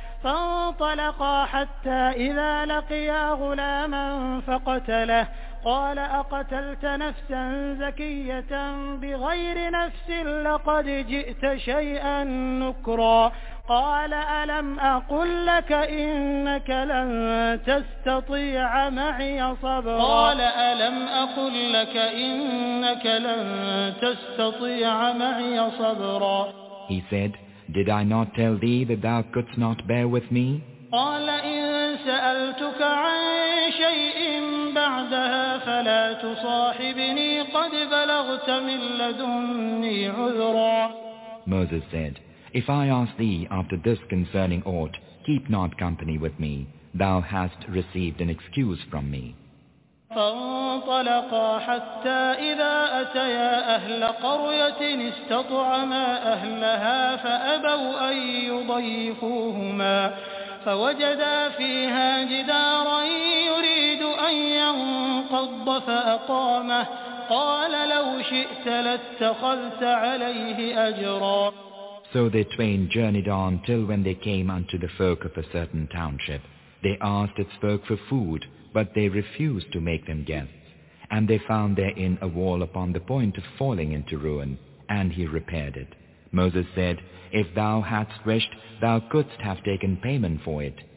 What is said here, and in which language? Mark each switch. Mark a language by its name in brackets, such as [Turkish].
[Arabic] فانطلقا حتى إذا لقيا غلاما فقتله قال أقتلت نفسا زكية بغير نفس لقد جئت شيئا نكرا قال ألم أقل لك إنك لن تستطيع معي صبرا قال ألم أقل لك إنك لن تستطيع معي صبرا [English] He said, Did I not tell thee that thou couldst not bear with me? [Arabic] قال إن سألتك عن شيء بعدها فلا تصاحبني قد بلغت من لدني عذرا [English] Moses said, If I ask thee after this concerning aught, keep not company with me. Thou hast received an excuse from me. [Arabic] فانطلقا حتى إذا أتيا أهل قرية استطعما أهلها فأبوا أن يضيفوهما فوجدا فيها جدارا يريد أن ينقض فأقامه قال لو شئت لاتخذت عليه أجرا [English] So they twain journeyed on till when they came unto the folk of a certain township. They asked its folk for food, but they refused to make them guests. And they found therein a wall upon the point of falling into ruin, and he repaired it. Moses said, If thou hadst wished, thou couldst have taken payment for it.